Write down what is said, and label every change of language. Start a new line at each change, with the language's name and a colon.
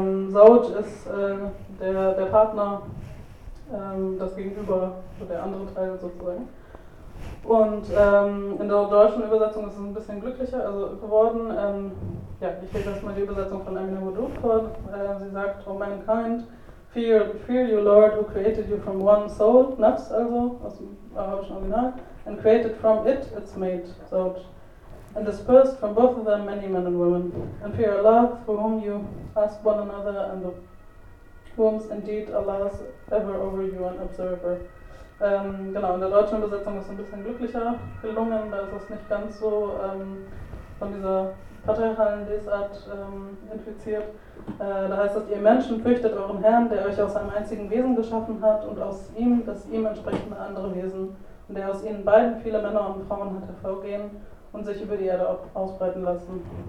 German: Zawj ist der Partner, das Gegenüber, der andere Teil sozusagen. Und in der deutschen Übersetzung ist es ein bisschen glücklicher also geworden. Ich lese erstmal die Übersetzung von Amina Wadud vor. Sie sagt,
English: O mankind, fear you, Lord, who created you from one soul, nafs
German: also, aus dem arabischen Original,
English: and created from it its mate, Zawj, and dispersed from both of them many men and women. And fear Allah, for whom you ask one another, and of whom indeed Allah is ever over you an observer.
German: Genau, in der deutschen Übersetzung ist es ein bisschen glücklicher gelungen, da ist es nicht ganz so von dieser patriarchalen Lesart infiziert. Da heißt es, ihr Menschen fürchtet euren Herrn, der euch aus einem einzigen Wesen geschaffen hat und aus ihm das ihm entsprechende andere Wesen, und der aus ihnen beiden viele Männer und Frauen hat hervorgehen und sich über die Erde ausbreiten lassen.